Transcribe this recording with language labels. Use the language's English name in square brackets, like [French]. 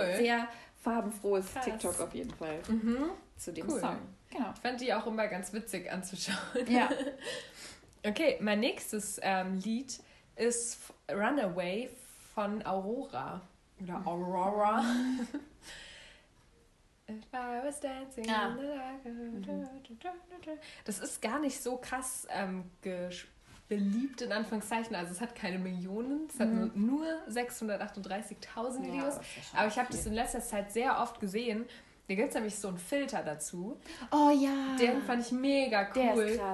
[German] Es ist ein sehr farbenfrohes Krass. TikTok auf jeden Fall zu dem cool. Song. Genau. Ich fand die auch immer ganz witzig anzuschauen. Ja. Okay, mein nächstes Lied ist Runaway von Aurora. Oder Aurora. [English] If I was dancing in the dark. [German] Das ist gar nicht so krass beliebt, in Anführungszeichen. Also es hat keine Millionen, es hat nur 638.000 Videos. Ja, das ist schon viel. Aber ich habe das in letzter Zeit sehr oft gesehen. Da gibt es nämlich so einen Filter dazu. Oh ja. Den fand ich mega cool.